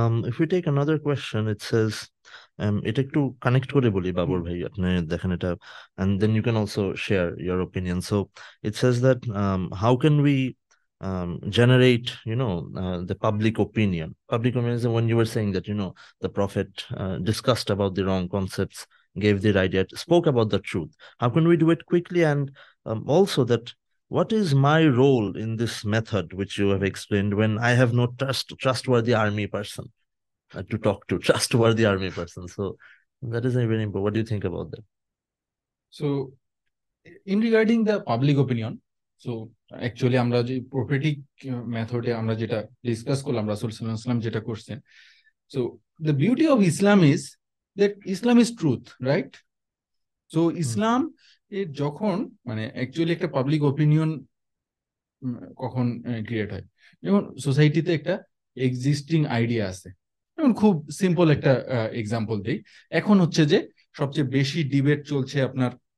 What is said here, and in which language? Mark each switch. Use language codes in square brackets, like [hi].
[en] if you take another question, it says, [bn] এটা একটু connect করে বলি বাবর ভাই, আপনি দেখেন এটা, [en] And then you can also share your opinion. So it says that how can we generate, you know, the public opinion. Public opinion, when you were saying that, you know, the Prophet discussed about the wrong concepts, gave the right idea, spoke about the truth. How can we do it quickly? And also that, what is my role in this method, which you have explained, when I have no trustworthy army person to talk to, trustworthy army person. So that is very important. What do you think about that? So in regarding the public opinion, so [bn] actually আমরা যে প্রোফেটিক মেথডে আমরা যেটা discuss করলাম, রাসূল সাল্লাল্লাহু আলাইহি ওয়া সাল্লাম যেটা করছেন, [en] So the beauty of Islam is that Islam is truth, right? [bn] So ইসলাম এর যখন মানে অ্যাকচুয়ালি একটা পাবলিক ওপিনিয়ন কখন ক্রিয়েট হয়, যেমন সোসাইটিতে একটা এক্সিস্টিং আইডিয়া আছে, যেমন খুব সিম্পল একটা এক্সাম্পল দিই, এখন হচ্ছে যে সবচেয়ে বেশি ডিবেট চলছে আপনার